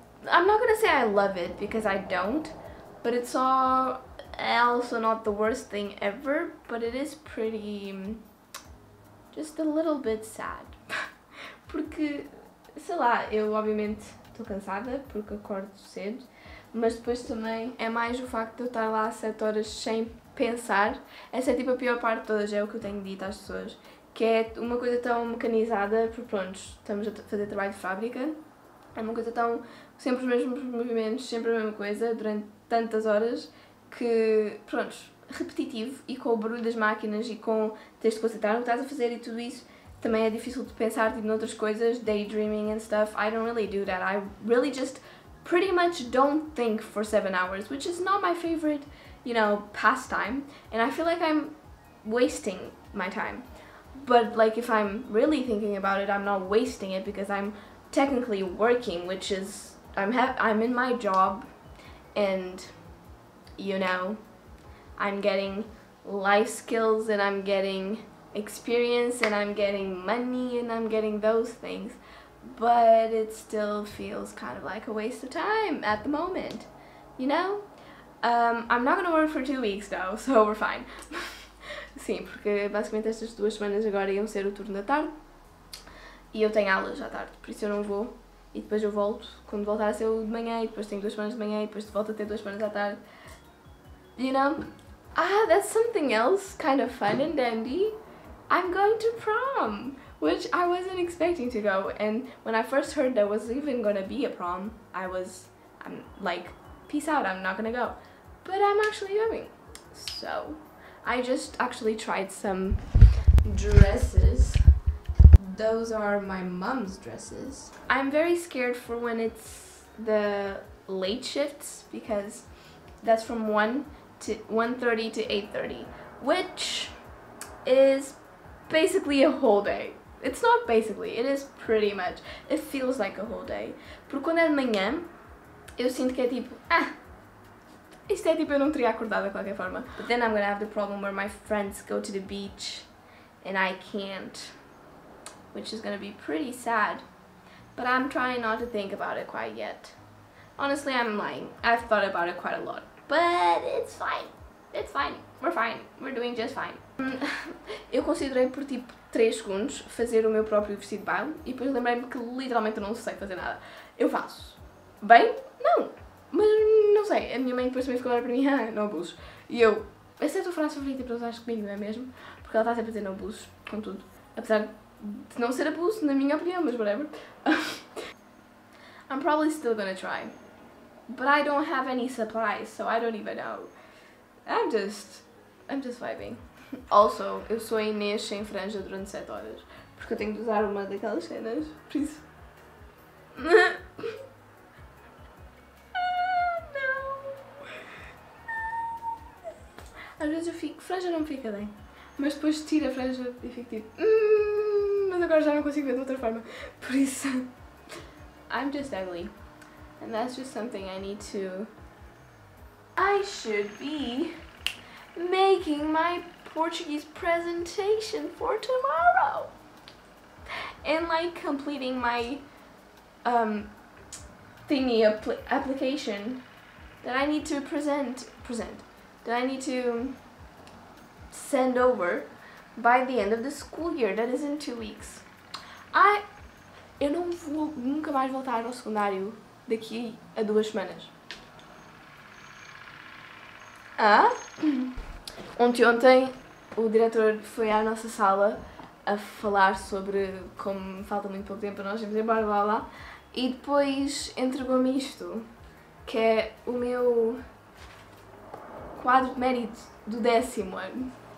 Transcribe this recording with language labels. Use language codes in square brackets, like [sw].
[en] I'm not gonna say I love it, because I don't. But it's all... also not the worst thing ever, but it is pretty, just a little bit sad. [pt] Porque, sei lá, eu obviamente estou cansada porque acordo cedo, mas depois também é mais o facto de eu estar lá 7 horas sem pensar. Essa é tipo a pior parte de todas, é o que eu tenho dito às pessoas, que é uma coisa tão mecanizada, porque pronto, estamos a fazer trabalho de fábrica, é uma coisa tão, sempre os mesmos movimentos, sempre a mesma coisa, durante tantas horas, que, pronto, repetitivo e com o barulho das máquinas e com teres de concentrar o que estás a fazer e tudo isso, também é difícil de pensar, tipo, noutras coisas, [en] daydreaming and stuff. I don't really do that. I really just pretty much don't think for 7 hours, which is not my favorite, you know, pastime. And I feel like I'm wasting my time. But, like, if I'm really thinking about it, I'm not wasting it because I'm technically working, which is, I'm in my job and... you know, I'm getting life skills and I'm getting experience and I'm getting money and I'm getting those things, but it still feels kind of like a waste of time at the moment, you know? I'm not gonna work for 2 weeks though, so we're fine. [pt] Sim, porque basicamente estas 2 semanas agora iam ser o turno da tarde. E eu tenho aulas à tarde, por isso eu não vou. E depois eu volto, quando voltar a ser o de manhã, e depois tenho 2 semanas de manhã, e depois volto a ter 2 semanas à tarde. [en] You know? Ah, that's something else, kind of fun and dandy. I'm going to prom, which I wasn't expecting to go. And when I first heard there was even gonna be a prom, I'm like, peace out, I'm not gonna go. But I'm actually going. So, I just actually tried some dresses. Those are my mom's dresses. I'm very scared for when it's the late shifts because that's from 1:30 to 8:30, which is basically a whole day. It's not basically, it is pretty much. It feels like a whole day. [pt] Porque quando é de manhã, eu sinto que é tipo, ah, isto é tipo, eu não teria acordado de qualquer forma. [en] But then I'm gonna have the problem where my friends go to the beach and I can't. Which is gonna be pretty sad, but I'm trying not to think about it quite yet. Honestly, I'm lying. I've thought about it quite a lot, but it's fine. It's fine. We're fine. We're doing just fine. [pt] Eu considerei por tipo 3 segundos fazer o meu próprio vestido de baile e depois lembrei-me que literalmente não sei fazer nada. Eu faço. Bem? Não. Mas não sei. A minha mãe depois também ficou a olhar para mim, ah, não abuso. E eu, essa é a tua frase favorita para usar comigo, não é mesmo? Porque ela está sempre a dizer não abuso com tudo. Apesar de não ser abuso, na minha opinião, mas whatever. [en] I'm probably still gonna try. But I don't have any supplies, so I don't even know. I'm just vibing. [pt] Also, eu sou a Inês sem franja durante 7 horas. Porque eu tenho de usar uma daquelas cenas. Por isso. Não! Às vezes eu fico. Franja não fica bem. Mas depois tiro a franja e fico tipo. Mas agora já não consigo ver de outra forma. Por isso. [en] I'm just ugly. And that's just something I need to. I should be making my Portuguese presentation for tomorrow. And like completing my thingy application that I need to present, that I need to send over by the end of the school year, that is in 2 weeks. [pt] Eu não vou nunca mais voltar ao secundário daqui a 2 semanas. Ah? Ontem, o diretor foi à nossa sala a falar sobre como falta muito pouco tempo para nós irmos embora, blá blá, e depois entregou-me isto, que é o meu quadro de mérito do 10º ano.